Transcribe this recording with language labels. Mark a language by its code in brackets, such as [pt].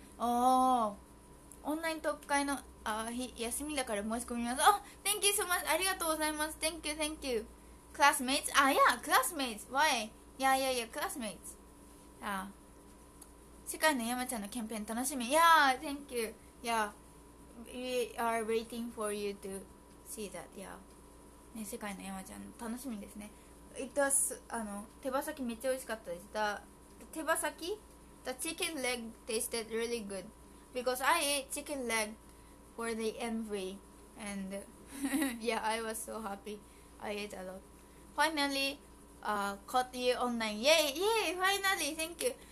[ja] オンライントーク会の休みだから申し込みます。 [en] あ、Thank you so much. [ja] ありがとうございます。 [en] Thank you, thank you. Classmates? あ、yeah, classmates. Why? Yeah, classmates. Yeah. [ja] 世界の山ちゃんのキャンペーン楽しみ。 [en] Yeah, thank you. Yeah. We are waiting for you to see that. Yeah. [ja] ね、世界の山ちゃん楽しみですね。 [en] It was, [ja] 手羽先めっちゃ美味しかったです。手羽先？ [en] The chicken leg tasted really good because I ate chicken leg for the MV and yeah, I was so happy. I ate a lot. Finally, caught you online. Yay, finally, thank you.